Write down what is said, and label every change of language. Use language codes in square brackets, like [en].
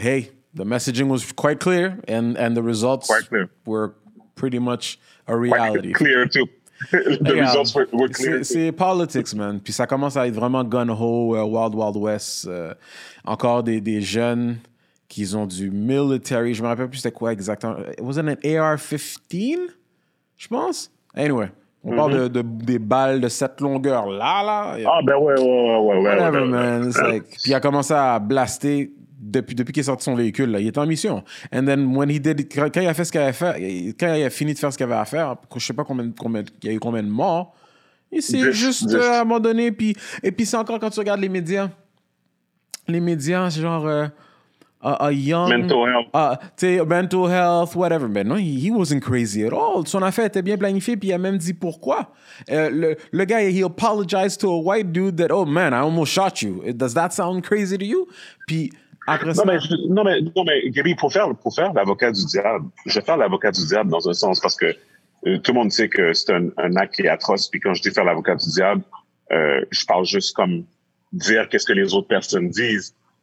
[en] hey, the messaging was quite clear, and the results were pretty much a reality. Quite clear too. The results were clear. [fr] C'est politics, man. Puis ça commence à être vraiment gung-ho, Wild Wild West. Encore des jeunes qui ont du military. Je me rappelle plus c'était quoi exactement. [en] Wasn't it AR-15? [fr] Je pense. Anyway, on parle des balles de cette longueur là. Ouais. [en] Whatever, [fr] ouais, [en] man. It's like, [fr] puis il a commencé à blaster depuis qu'il est sorti de son véhicule. Là, il était en mission. [en] And then when he did, [fr] quand il a fait ce qu'il avait fait, quand il a fini de faire ce qu'il avait à faire, je sais pas combien il y a eu combien de morts, il s'est juste à un moment donné. Et puis c'est encore quand tu regardes les médias, c'est genre mental health, whatever. Mais non, [en] he wasn't crazy at all. [fr] Son affaire était bien planifiée, puis il a même dit pourquoi. Le gars, [en] he apologized to a white dude that, oh man, I almost shot you. Does that sound crazy to you? [fr] Puis après ça. Non, mais Gabby, pour faire l'avocat du diable, je vais faire l'avocat du diable dans un sens parce que tout le monde sait que c'est un acte qui est atroce. Puis quand je dis faire l'avocat du diable, je parle juste comme dire qu'est-ce que les autres personnes disent.